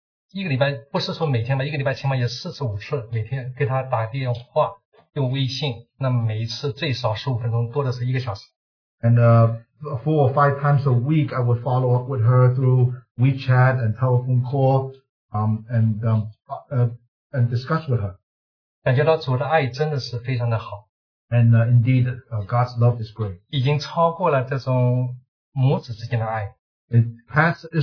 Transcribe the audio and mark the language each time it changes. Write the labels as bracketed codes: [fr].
[zh] 一个礼拜,不是说每天吧,一个礼拜起码也45次,每天给她打电话,用微信,那每一次最少15分钟,多的是一个小时。 [en] And four or five times a week, I would follow up with her through WeChat and telephone call, and discuss with her. [zh] 感觉到主的爱真的是非常的好。 [en] And indeed, God's love is great. [zh] 已经超过了这种母子之间的爱。 [en] It